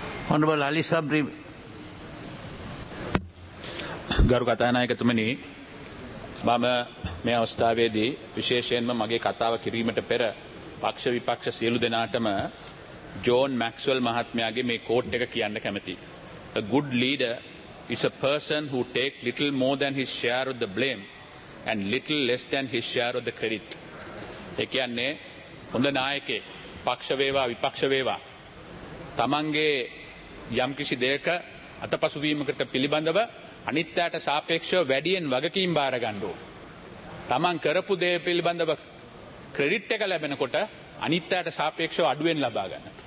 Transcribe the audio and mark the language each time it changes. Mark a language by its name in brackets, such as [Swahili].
[English] Honourable Ali Sabry. [Sinhala] ගරු කථානායකතුමනි, මම මේ අවස්ථාවේදී විශේෂයෙන්ම මගේ කතාව කිරීමට පෙර පක්ෂ විපක්ෂ සියලු දෙනාටම ජෝන් මැක්ස්වෙල් මහත්මයාගේ මේ කෝට් එක කියන්න කැමතියි. [English] A good leader is a person who takes little more than his share of the blame and little less than his share of the credit. [Sinhala] ඒ කියන්නේ හොඳ නායකයෙක් පක්ෂ වේවා විපක්ෂ වේවා තමන්ගේ යම්කිසි දෙයක අතපසු වීමකට පිළිබඳව අනිත්‍යයට සාපේක්ෂව වැඩියෙන් වගකීම් බාර ගන්න ඕන. තමන් කරපු දේ පිළිබඳව ක්‍රෙඩිට් එක ලැබෙනකොට අනිත්‍යයට සාපේක්ෂව අඩුවෙන් ලබා ගන්න.